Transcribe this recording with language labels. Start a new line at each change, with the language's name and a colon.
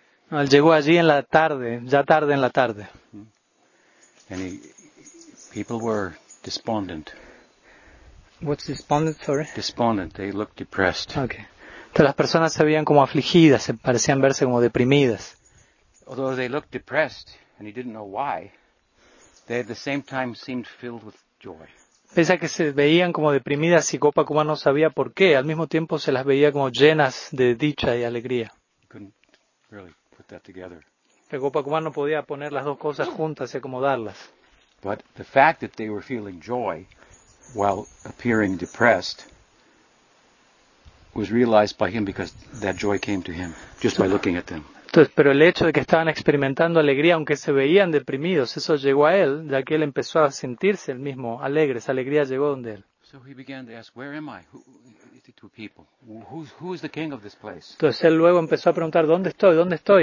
Spanish: No, él llegó allí en la tarde, ya tarde en la tarde.
English: And people were despondent. What's despondent, sorry? Despondent, they looked depressed. Okay.
Spanish: Entonces las personas se veían como afligidas, se parecían verse como deprimidas.
English: Although they looked depressed, and he didn't know why. They at the same time seemed filled with joy.
Spanish: Pese a que se veían como deprimidas y Gopakumar no sabía por qué, al mismo tiempo se las veía como llenas de dicha y alegría.
English: Really put that together.
Spanish: Pero Gopakumar no podía poner las dos cosas juntas y acomodarlas.
English: But the fact that they were feeling joy while appearing depressed was realized by him because that joy came to him just by looking at them.
Spanish: Entonces, pero el hecho de que estaban experimentando alegría, aunque se veían deprimidos, eso llegó a él, ya que él empezó a sentirse el mismo alegre. Esa alegría llegó donde él. Entonces, él luego empezó a preguntar, ¿dónde estoy? ¿Dónde estoy?